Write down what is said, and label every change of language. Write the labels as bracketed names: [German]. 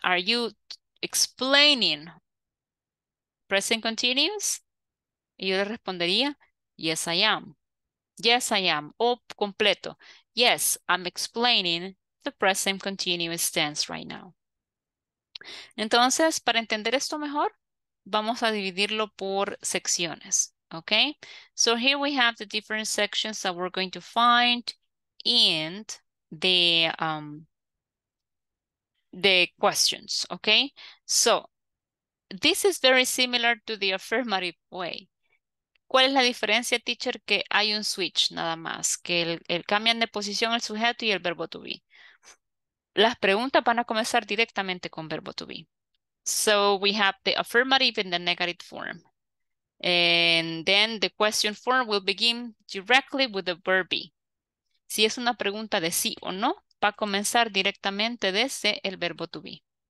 [English] Are you explaining present continuous? [Spanish] Y yo le respondería, [English] yes, I am. Yes, I am. [Spanish] O completo. [English] Yes, I'm explaining the present continuous tense right now. [Spanish] Entonces, para entender esto mejor, vamos a dividirlo por secciones, okay? [English] So here we have the different sections that we're going to find in the questions, okay? So this is very similar to the affirmative way. [Spanish] ¿Cuál es la diferencia, teacher? Que hay un switch nada más, que el cambian de posición el sujeto y el verbo to be. Las preguntas van a comenzar directamente con verbo to be. [English] So we have the affirmative in the negative form. And then the question form will begin directly with the verb be. [Spanish] Si es una pregunta de sí o no, va a comenzar directamente desde el verbo to be.